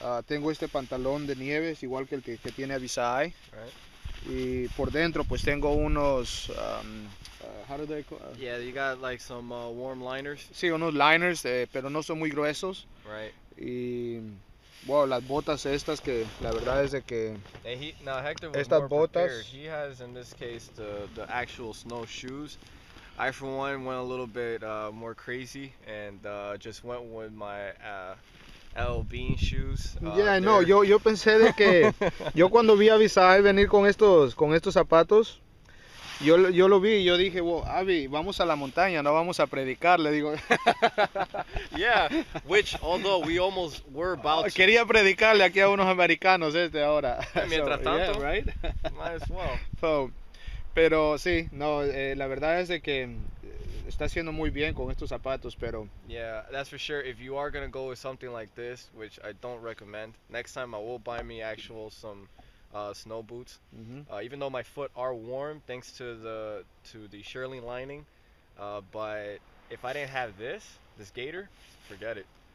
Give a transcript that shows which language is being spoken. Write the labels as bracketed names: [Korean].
[Spanish] Tengo este pantalón de nieve es igual que el que tiene Abisai. Y por dentro pues tengo unos [English] how do they call You got like some warm liners. [Spanish] Sí, unos liners, pero no son muy gruesos. [English] Right. [Spanish] Y wow, las botas estas que la verdad es de que [English] Hector was [Spanish] estas [English] more [Spanish] botas [English] prepared. He has in this case the actual snow shoes. I for one went a little bit more crazy and just went with my L Bean shoes. [Spanish] Yo pensé de que yo cuando vi a Bisai venir con estos zapatos, yo lo vi y yo dije, well, Abby, vamos a la montaña, no vamos a predicar, le digo. [English] Yeah, which although we almost were about to. [Spanish] Quería predicarle aquí a unos americanos ahora. Mientras tanto, [English] yeah, right? Might as well. [Spanish] So, pero sí, no, la verdad es de que está haciendo muy bien con estos zapatos, pero... [English] Yeah, that's for sure. If you are going to go with something like this, which I don't recommend, next time I will buy me actual some snow boots. Even though my foot are warm, thanks to the shearling lining. But if I didn't have this gaiter, forget it.